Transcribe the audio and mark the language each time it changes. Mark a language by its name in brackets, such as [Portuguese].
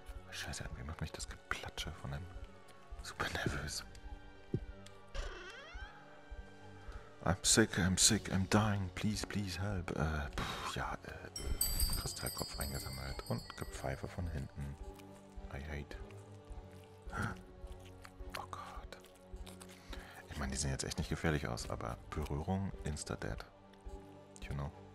[German] Scheiße, irgendwie macht mich das Geplatsche von dem super nervös. [English] I'm sick, I'm dying, please help. [German] Kristallkopf eingesammelt und Gepfeife von hinten. [English] I hate. [German] Oh Gott. Ich meine, die sehen jetzt echt nicht gefährlich aus, aber Berührung, insta-dead. You know.